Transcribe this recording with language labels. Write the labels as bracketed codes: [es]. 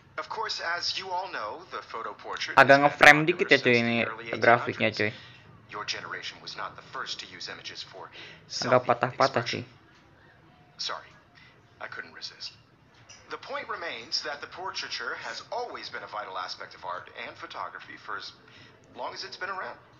[en] Of course, as you all know, the photo portrait. [id] Agak nge-frame dikit ya cuy ini grafiknya, cuy. [en] Your generation was not the first to use images for. [id] Agak patah-patah sih. [en] Sorry. I couldn't resist. The point remains that the portraiture has always been a vital aspect of art and photography for as long as it's been around.